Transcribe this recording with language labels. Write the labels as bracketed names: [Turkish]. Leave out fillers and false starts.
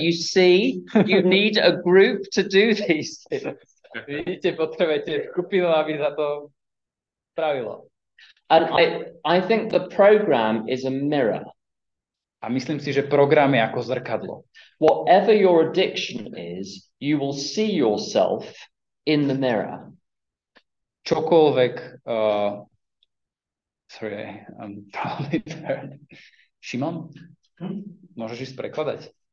[English] You see, you need a group to do these things. [Slovak] Vidíte, potrebujete skupinu, aby za to spravilo. [English] And I think the program is a mirror. [Slovak] A myslím si, že program je ako zrkadlo. [English] Whatever your addiction is, you will see yourself in the mirror. [Slovak] Čokoľvek... [English] Sorry, I'm probably tired. [Slovak] Šimon, môžeš ísť prekladať?